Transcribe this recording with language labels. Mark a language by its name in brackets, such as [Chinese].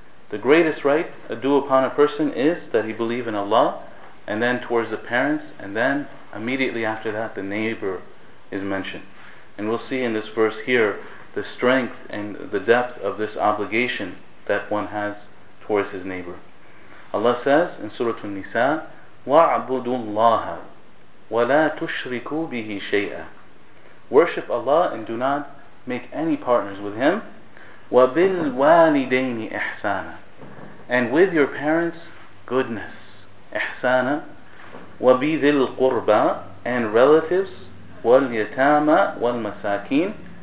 [English] The greatest right due upon a person is that he believe in Allah, and then towards the parents, and then immediately after that the neighbor is mentioned. And we'll see in this verse here the strength and the depth of this obligation that one has towards his neighbor. Allah says in Surah An-Nisa, [Arabic] وَعْبُدُوا اللَّهَ وَلَا تُشْرِكُوا بِهِ شَيْئًا. [English] Worship Allah and do not make any partners with Him. [Arabic] وَبِالْوَالِدَيْنِ إِحْسَانًا. [English] And with your parents, goodness. إِحْسَانًا. [Arabic] وَبِذِي الْقُرْبَى. [English] And relatives, [Arabic] وَالْيَتَامَى وَالْمَسَاكِينَ.